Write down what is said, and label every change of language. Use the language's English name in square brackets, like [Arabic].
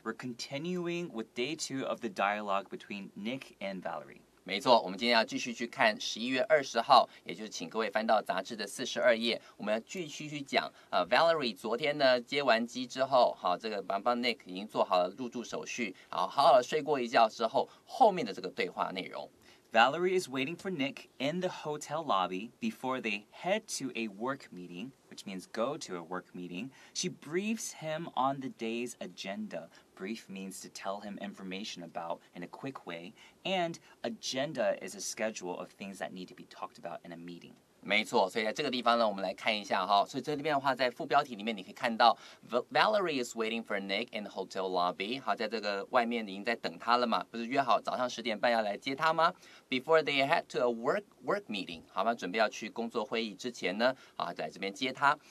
[English] We're continuing with day two of the dialogue between Nick and Valerie. [Chinese] 没错，我们今天要继续去看11月20号，也就是请各位翻到杂志的42页，我们要继续去讲。 Valerie 昨天呢接完机之后，好，这个帮帮 Nick 已经做好了入住手续，好好好睡过一觉之后，后面的这个对话内容。 [English] Valerie is waiting for Nick in the hotel lobby before they head to a work meeting, which means go to a work meeting. She briefs him on the day's agenda. Brief means to tell him information about in a quick way. And agenda is a schedule of things that need to be talked about in a meeting. [Chinese] 没错，所以在这个地方呢，我们来看一下哈。所以这里面的话，在副标题里面你可以看到 ， [English] Valerie is waiting for Nick in the hotel lobby。 [Chinese] 好，在这个外面已经在等他了嘛，不是约好早上10点半要来接他吗 ？ [English] Before they head to a work meeting， [Chinese] 好吗？准备要去工作会议之前呢，啊，在这边接他。